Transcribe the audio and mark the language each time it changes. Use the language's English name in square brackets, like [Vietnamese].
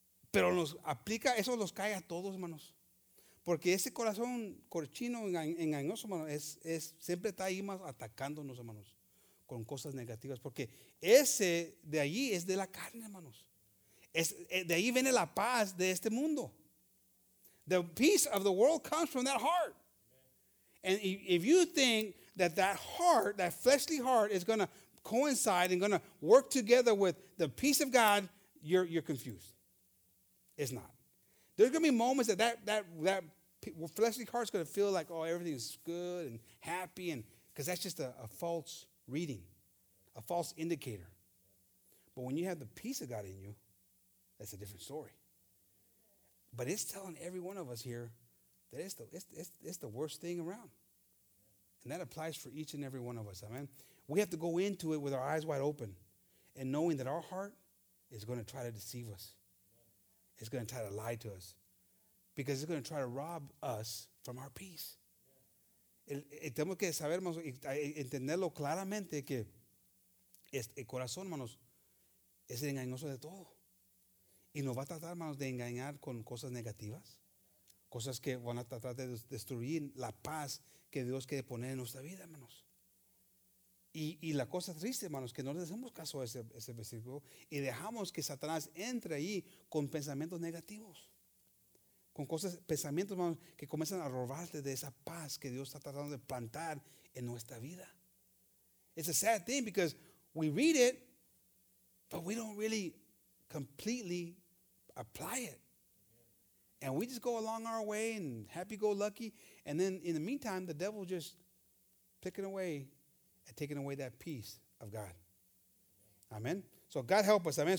[Spanish] Pero nos aplica, eso los cae a todos, hermanos. Porque ese corazón cochino, engañoso, hermanos, es siempre está ahí más atacándonos, hermanos, con cosas negativas. Porque ese de allí es de la carne, hermanos. De ahí viene la paz de este mundo. [English] The peace of the world comes from that heart. And if you think that heart, that fleshly heart, is going to coincide and going to work together with the peace of God, you're confused. It's not. There's going to be moments that fleshly heart is going to feel like, oh, everything is good and happy, and because that's just a false reading, a false indicator. But when you have the peace of God in you, that's a different story. But it's telling every one of us here that it's the worst thing around. And that applies for each and every one of us. Amen. We have to go into it with our eyes wide open and knowing that our heart is going to try to deceive us. It's going to try to lie to us because it's going to try to rob us from our peace. [Spanish] Tenemos que saber, hermanos, entenderlo claramente que el corazón, hermanos, es el engañoso de todo. Y nos va a tratar, hermanos, de engañar con cosas negativas. Cosas que van a tratar de destruir la paz que Dios quiere poner en nuestra vida, hermanos. Y la cosa triste, hermanos, que no le hacemos caso a ese versículo y dejamos que Satanás entre ahí con pensamientos negativos. Con cosas, pensamientos, hermanos, que comienzan a robarte de esa paz que Dios está tratando de plantar en nuestra vida. [English] It's a sad thing because we read it, but we don't really completely apply it. And we just go along our way and happy-go-lucky. And then in the meantime, the devil just picking away and taking away that peace of God. Amen. So God help us. Amen.